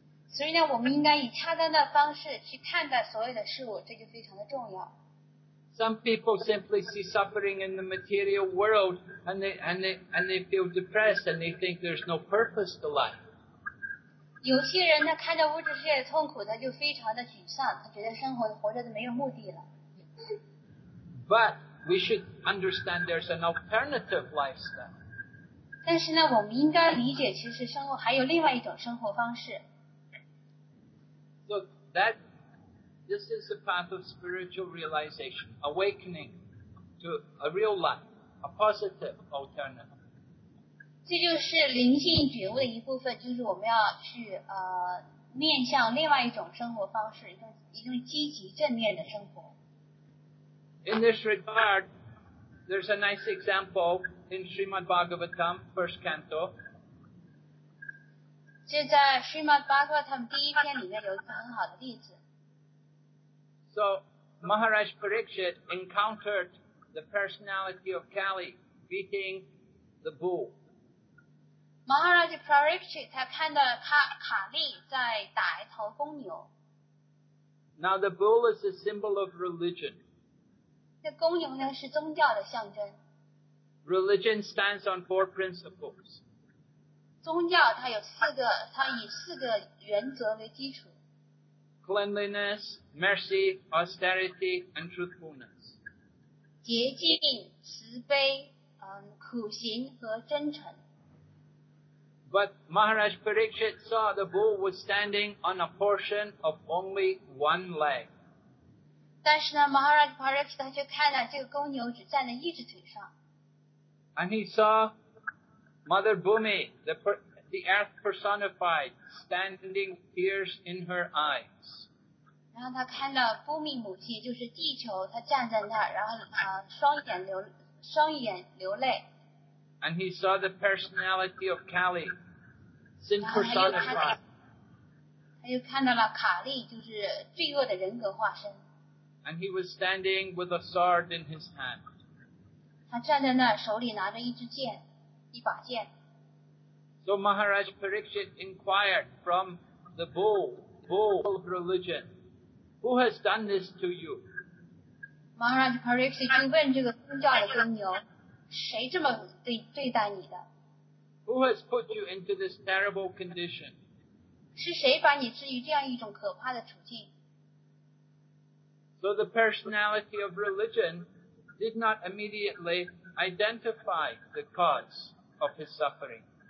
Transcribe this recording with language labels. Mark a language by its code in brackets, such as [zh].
[zh] 所以呢，我们应该以恰当的方式去看待所有的事物，这就非常的重要。 [en] Some people simply see suffering in the material world, and they feel depressed, and they think there's no purpose to life. [zh] 有些人呢，看到物质世界的痛苦，他就非常的沮丧，他觉得生活活着的没有目的了。 [en] But we should understand there's an alternative lifestyle. [zh] 但是呢，我们应该理解，其实生活还有另外一种生活方式。 [en] So that this is the path of spiritual realization, awakening to a real life, a positive alternative. [zh] 这就是灵性觉悟的一部分，就是我们要去面向另外一种生活方式，一种积极正面的生活。 [en] In this regard, there's a nice example in Srimad Bhagavatam, first canto. [zh] 就在 Srimad Bhagavatam 第一篇里面有一个很好的例子。 [en] So, Maharaj Parikshit encountered the personality of Kali beating the bull. [zh] Maharaj Parikshit 他看到卡利在打一头公牛。 [en] Now, the bull is a symbol of religion. [zh] 这公牛呢是宗教的象征。 [en] Religion stands on four principles. [zh] 宗教它有四个，它以四个原则为基础。 [en] Cleanliness, mercy, austerity, and truthfulness. [zh] 洁净、慈悲、苦行和真诚。 [en] But Maharaj Parikshit saw the bull was standing on a portion of only one leg. [zh] 但是呢 Maharaj Parikshit 他就看到这个公牛只站在一只腿上。 [en] And he saw Mother Bhumi, the earth personified, standing tears in her eyes. [zh] 然后他看到 Bhumi 母亲就是地球他站在那儿然后双眼流泪。 [en] And he saw the personality of Kali, sin personified. [zh] 他又看到了卡利就是罪恶的人格化身。 [en] And he was standing with a sword in his hand. [zh] 他站在那儿，手里拿着一支剑，一把剑。 [en] So Maharaj Parikshit inquired from the bull of religion, "Who has done this to you?" [zh] Maharaj Parikshit 就问这个宗教的公牛，谁这么对待你的 [en] ？Who has put you into this terrible condition? [zh] 是谁把你置于这样一种可怕的处境？ [en] So the personality of religion did not immediately identify the cause of his suffering.